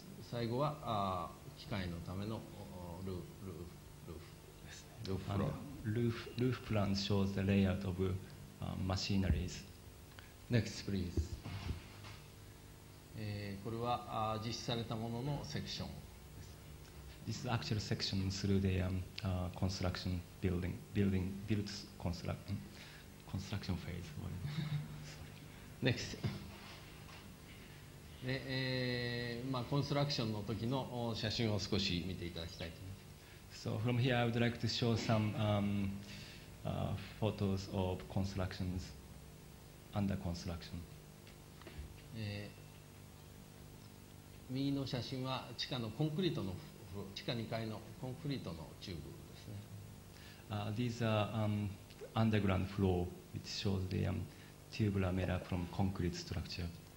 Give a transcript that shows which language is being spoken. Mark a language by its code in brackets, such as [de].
[ja] 最後は機械のためのルーフ [en] プラン shows the layout of machineries. Next, please. [ja] これは実施されたもののセクションです。 [en] This is actual section through the construction building built construction phase. Next. [ja] で、コンストラクションの時の写真を少し見ていただきたいと思います。 [en] So from here, I would like to show some photos of constructions under construction. [ja] 右の写真は地下のコンクリートの地下2階のコンクリートのチューブですね。 [en] These are underground floor which shows the tubular made up from concrete structure.